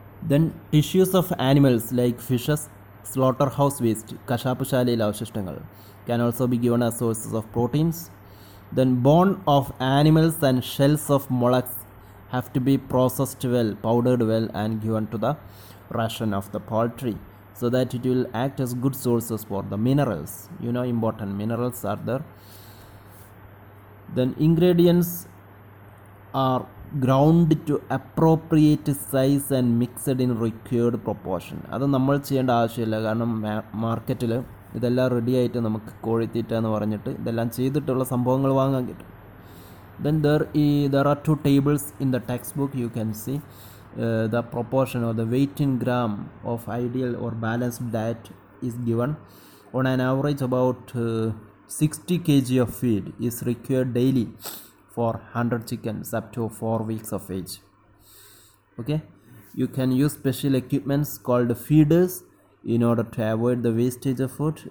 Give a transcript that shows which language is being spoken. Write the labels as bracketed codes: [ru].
[en] then tissues of animals like fishes, slaughter house waste, [ml] കശാപ്പുശാലയിലെ അവശിഷ്ടങ്ങൾ [en] Can also be given as sources of proteins. Then bone of animals and shells of molluscs have to be processed well, powdered well and given to the ration of the poultry, so that it will act as good sources for the minerals. You know important minerals are there. Then ingredients are ground to appropriate size and mixed in required proportion. [ml] അത് നമ്മൾ ചെയ്യേണ്ട ആവശ്യമില്ല, കാരണം മാർക്കറ്റിൽ ഇതെല്ലാം ready ആയിട്ട് നമുക്ക് കോഴിത്തീറ്റ എന്ന് പറഞ്ഞിട്ട് ഇതെല്ലാം ചെയ്തിട്ടുള്ള സംഭവങ്ങൾ വാങ്ങാൻ കിട്ടും. [en] Then there ഈ there are 2 tables in the text book. You can see the proportion or the weight in gram of ideal or balanced diet is given. On an average, about 60 kg of feed is required daily for 100 chickens up to 4 weeks of age. Okay, you can use special equipments called feeders in order to avoid the wastage of food.